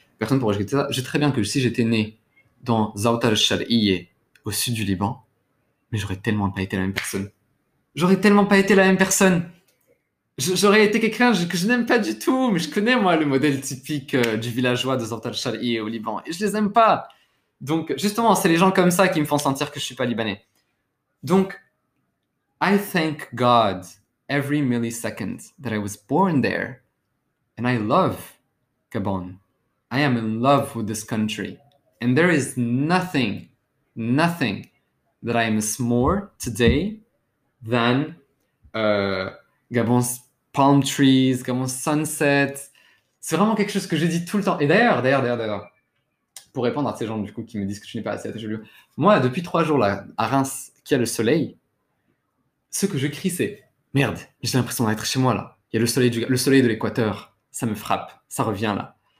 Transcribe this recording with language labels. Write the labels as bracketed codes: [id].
[fr] Personne pour rejeter ça. Je sais très bien que si j'étais né dans Zaout al-Shal'iyeh, au sud du Liban, mais j'aurais tellement pas été la même personne. J'aurais tellement pas été la même personne. J'aurais été quelqu'un que je n'aime pas du tout, mais je connais moi le modèle typique du villageois de Zaout al-Shal'iyeh au Liban, et je les aime pas. Donc justement, c'est les gens comme ça qui me font sentir que je suis pas libanais. [en] Donc, I thank God every millisecond that I was born there, and I love Gabon. I am in love with this country, and there is nothing, nothing that I miss more today than Gabon's palm trees, Gabon's sunset. [fr] C'est vraiment quelque chose que je dis tout le temps. Et d'ailleurs, pour répondre à ces gens du coup qui me disent que je n'ai pas assez attaché au lieu, moi, depuis 3 jours là, à Reims, qui a le soleil, ce que je crie, c'est merde, j'ai l'impression d'être chez moi là. Il y a le soleil de l'équateur, ça me frappe, ça revient là.